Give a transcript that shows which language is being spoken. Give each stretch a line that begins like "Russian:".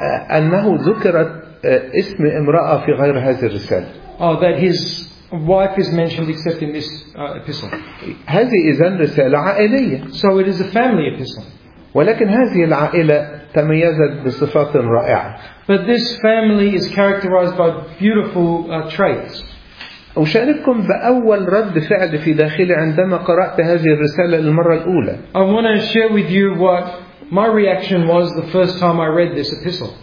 Arabic: أنه ذكرت اسم امرأة في غير هذه الرسالة.
English: Oh, that his wife is mentioned except in this epistle.
Arabic: هذه إذن رسالة عائلية.
English: So it is a family epistle.
Arabic: ولكن هذه العائلة تميزت بصفات رائعة.
English: But this family is characterized by beautiful traits.
Arabic: أشارككم بأول رد فعل في داخلي عندما قرأت هذه الرسالة للمرة الأولى.
English: I want to share with you what my reaction was the first time I read this epistle.